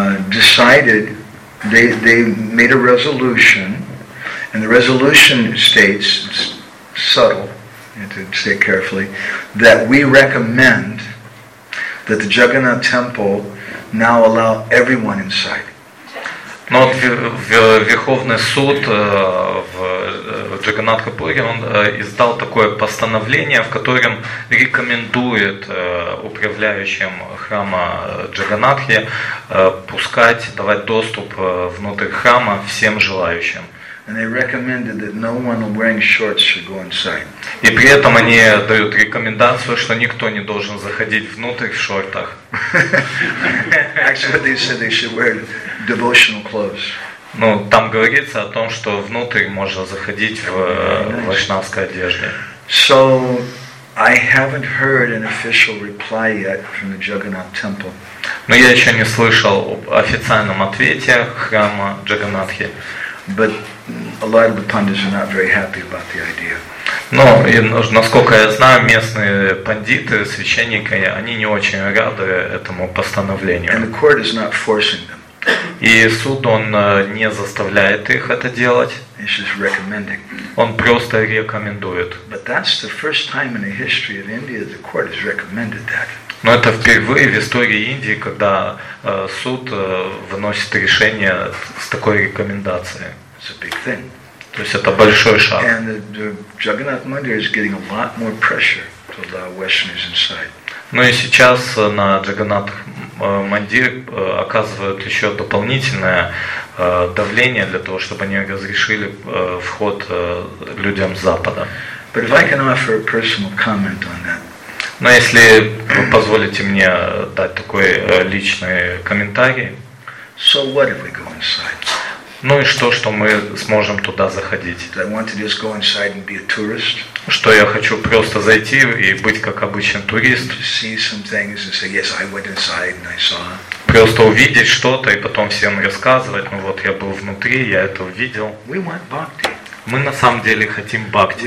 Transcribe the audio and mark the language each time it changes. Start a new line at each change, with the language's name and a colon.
English: Decided, they made a resolution, and the resolution states, it's subtle, you have to say it carefully, that we recommend that the Jagannath Temple now allow everyone inside.
Russian: Но Верховный суд в Джаганнатхапуре издал такое постановление, в котором рекомендует управляющим храма Джаганнатхи пускать, давать доступ внутрь храма всем желающим.
English: And they recommended that no one wearing shorts should go inside.
Russian: И при этом они дают рекомендацию, что никто не должен заходить внутрь в шортах.
English: Actually, they said they should wear devotional clothes.
Russian: Ну, там говорится о том, что внутрь можно заходить в вайшнавской одежде.
English: So, I haven't heard an official reply yet from the Jagannath Temple.
Russian: Но я еще не слышал об официальном ответе храма Джаганнатхи.
English: But a lot of the pandits are not very happy about the idea.
Russian: Но и насколько я знаю, местные пандиты, священники, они не очень рады этому постановлению.
English: And the court is not forcing them.
Russian: И суд, он не заставляет их это делать.
English: He's just recommending.
Russian: Он просто рекомендует.
English: But that's the first time in the history of India the court has recommended that.
Russian: Но это впервые в истории Индии, когда суд выносит решение с такой рекомендацией.
English: It's a big thing.
Russian: То есть это большой шаг.
English: And the Jagannath Mandir is getting a lot more pressure to allow Westerners inside.
Russian: Ну и сейчас на Джаганнат Мандир оказывают еще дополнительное давление для того, чтобы они разрешили вход людям с Запада.
English: But if I can offer a personal comment on that.
Russian: Но если вы позволите мне дать такой личный комментарий.
English: So what if we go inside?
Russian: Ну и что, что мы сможем туда заходить?
English: Do I want to just go inside and be a tourist?
Russian: Что я хочу просто зайти и быть как обычный турист?
English: See some things and say, yes, I went inside and I saw.
Russian: Просто увидеть что-то и потом всем рассказывать, ну вот я был внутри, я это увидел.
English: We want bhakti.
Russian: Мы на самом деле хотим бхакти.